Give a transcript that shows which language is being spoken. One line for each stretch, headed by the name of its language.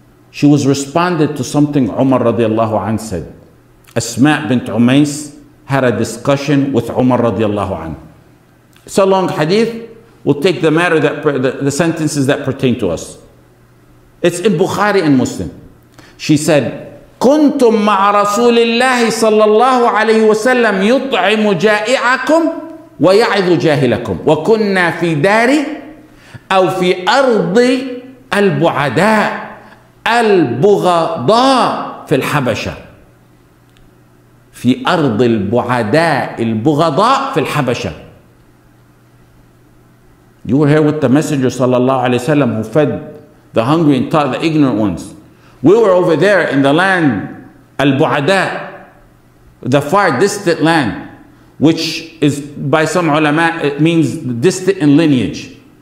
English: She was responded to something Umar radiallahu anh said. Asma bint Umays had a discussion with Umar radiallahu anh. It's a long hadith. We'll take the matter that the sentences that pertain to us. It's in Bukhari and Muslim. She said,
Arabic: كنتم مع رسول الله صلى الله عليه وسلم يطعم جائعكم ويعظ جاهلكم وكنا في دار أو في أرض البعداء البغضاء في الحبشة في أرض البعداء البغضاء في الحبشة.
English: You were here with the messenger
Arabic: صلى الله عليه وسلم
English: who fed the hungry and taught the ignorant ones. We were over there in the land Al-Bu'ada, the far distant land, which is by some ulama, it means distant in lineage.